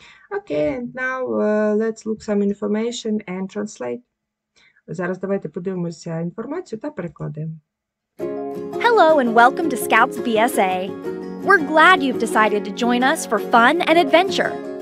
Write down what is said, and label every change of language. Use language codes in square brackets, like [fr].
[en] Okay, and now let's look some information and translate. [uk] Зараз давайте подивимося інформацію та перекладемо. [en] Hello and welcome to Scouts BSA. We're glad you've decided to join us for fun and adventure.